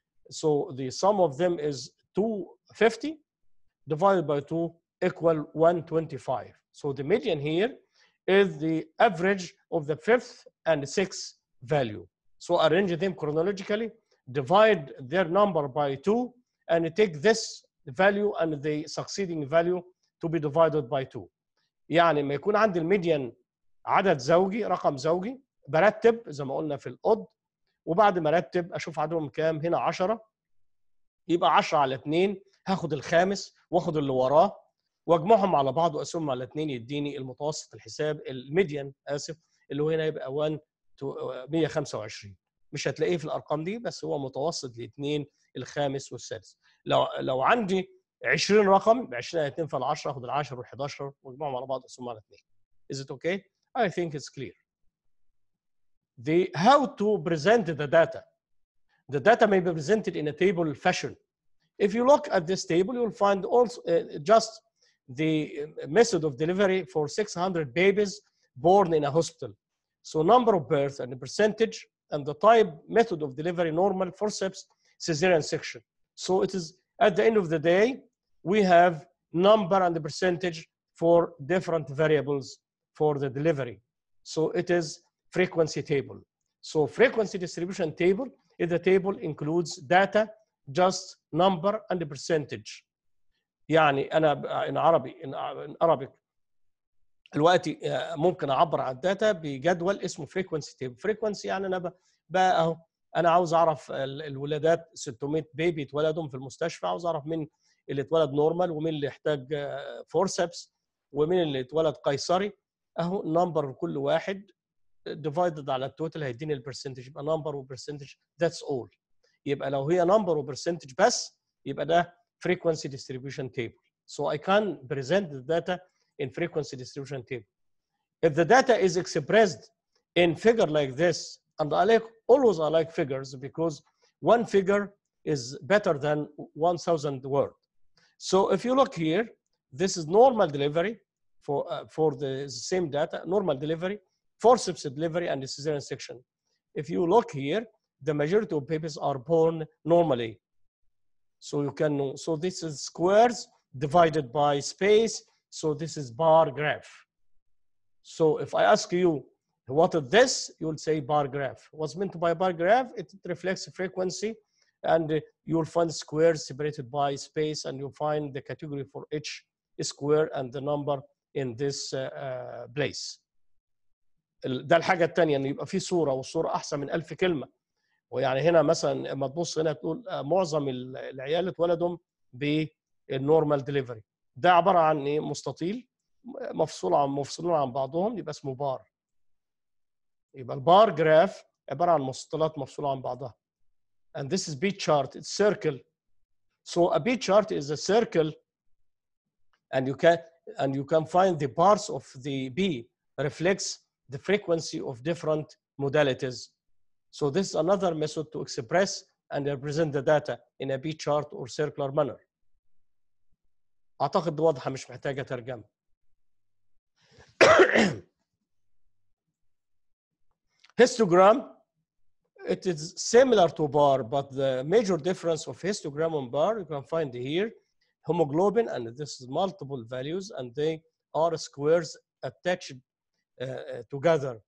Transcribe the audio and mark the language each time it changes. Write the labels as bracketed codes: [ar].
[en] So the sum of them is 250 divided by 2 equal 125. So the median here is the average of the fifth and sixth value. So arrange them chronologically, divide their number by 2, and take this value and the succeeding value to be divided by 2. [ar] يعني ما يكون عندي الميديان عدد زوجي رقم زوجي برتب زي ما قلنا في القض، وبعد ما رتب اشوف عددهم كام. هنا 10 يبقى 10 على 2 هاخد الخامس واخد اللي وراه واجمعهم على بعض واقسمهم على 2 يديني المتوسط الحساب الميديان اسف اللي هو هنا يبقى 125. مش هتلاقيه في الارقام دي بس هو متوسط الاثنين الخامس والسادس. لو عندي 20 رقم ب 20 على 2 في 10 اخد ال 10 وال 11 واجمعهم على بعض واقسمهم على 2. [en] Is it okay? I think it's clear. The how to present the data. The data may be presented in a table fashion. If you look at this table, you'll find also just the method of delivery for 600 babies born in a hospital. So number of births and the percentage and the type method of delivery, normal, forceps, cesarean section. So it is at the end of the day, we have number and the percentage for different variables for the delivery. So it is frequency table. So frequency distribution table is the table includes data, just number and the percentage. [ar] يعني أنا in عربي [en] in Arabic [ar] الوقت ممكن أعبر عن الداتا بجدول اسمه frequency table. Frequency يعني أنا بقى أهو أنا عاوز أعرف الولادات 600 بيبي اتولدهم في المستشفى، عاوز أعرف مين اللي اتولد نورمال ومين اللي احتاج فورسبس ومين اللي اتولد قيصري. أهو number كل واحد divided على التوتال هيديني البرسنتج، يبقى number وبرسنتج [en] that's all. [ar] يبقى لو هي number وبرسنتج بس يبقى ده frequency distribution table. [en] So I can present the data in frequency distribution table. If the data is expressed in figure like this, and I like always I like figures because one figure is better than 1,000 word. So if you look here, this is normal delivery for the same data, normal delivery, forceps delivery and the cesarean section. If you look here, the majority of babies are born normally. So you can know. So this is squares divided by space. So this is bar graph. So if I ask you, what is this? You will say bar graph. What's meant by bar graph? It reflects frequency and you'll find squares separated by space and you'll find the category for each square and the number in this place. [ar] ده الحاجة التانية ان يبقى في صورة والصورة احسن من 1000 كلمة. ويعني هنا مثلا ما تبص هنا تقول معظم العيال اتولدوا بالنورمال ديليفري، ده عباره عن ايه؟ مستطيل مفصول عن مفصولون عن بعضهم يبقى اسمه بار. يبقى البار جراف عباره عن مستطيلات مفصوله عن بعضها. [en] And this is beat chart, it's circle. So a beat chart is a circle and you can find the bars of the B reflects the frequency of different modalities. So this is another method to express and represent the data in a B-chart or circular manner. [ar] أعتقد واضحة مش محتاجة ترجمة. [en] Histogram, it is similar to bar, but the major difference of histogram and bar, you can find here, hemoglobin, and this is multiple values, and they are squares attached together.